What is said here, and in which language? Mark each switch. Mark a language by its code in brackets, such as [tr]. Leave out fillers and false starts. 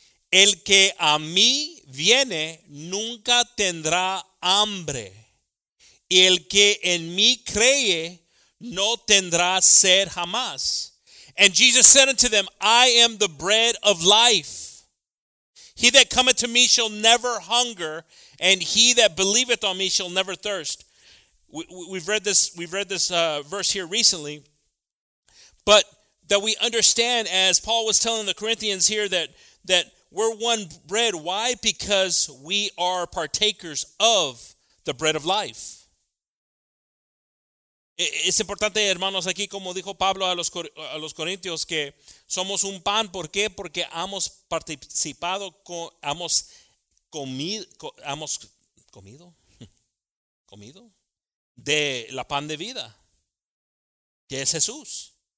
[es] El que a mí viene nunca tendrá hambre. Y el que en mí cree no tendrá sed jamás. [en] And Jesus said unto them, I am the bread of life. He that cometh to me shall never hunger, and he that believeth on me shall never thirst. We've read this verse here recently. But that we understand, as Paul was telling the Corinthians here, that We're one bread. Why? Because we are partakers of the bread of life. [es] Es importante, hermanos, aquí como dijo Pablo a los corintios, que somos un pan. ¿Por qué? Porque hemos participado, hemos comido de la pan de vida, que es Jesús.